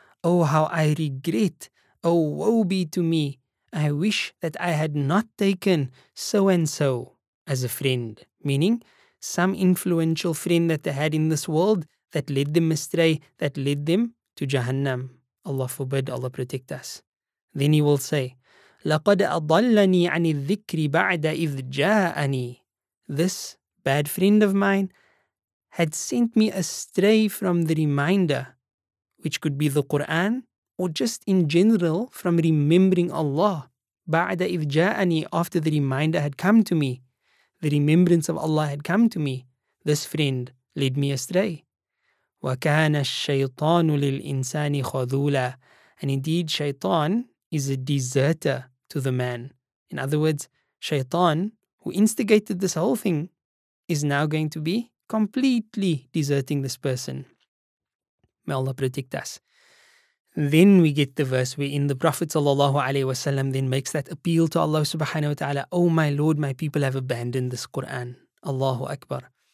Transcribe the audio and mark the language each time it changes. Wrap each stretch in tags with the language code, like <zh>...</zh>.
<en>Oh, how I regret. Oh, woe be to me. I wish that I had not taken so and so as a friend, meaning some influential friend that they had in this world that led them astray, that led them to Jahannam. Allah forbid, Allah protect us. Then he will say,</en> <ar>لقد أضلني عن الذكر بعد إذ جاءني.</ar> <en>This bad friend of mine had sent me astray from the reminder, which could be the Quran, or just in general from remembering Allah.</en> <ar>بعد إذ جاءني,</ar> <en>after the reminder had come to me, the remembrance of Allah had come to me, this friend led me astray.</en> <ar>وكان الشيطان للإنسان خذولا.</ar> <en>And indeed, shaitan is a deserter to the man. In other words, shaitan, who instigated this whole thing, is now going to be completely deserting this person. May Allah protect us. Then we get the verse wherein the Prophet sallallahu alaihi wasallam then makes that appeal to Allah subhanahu wa ta'ala, Oh my Lord, my people have abandoned this Quran. Allahu Akbar.</en>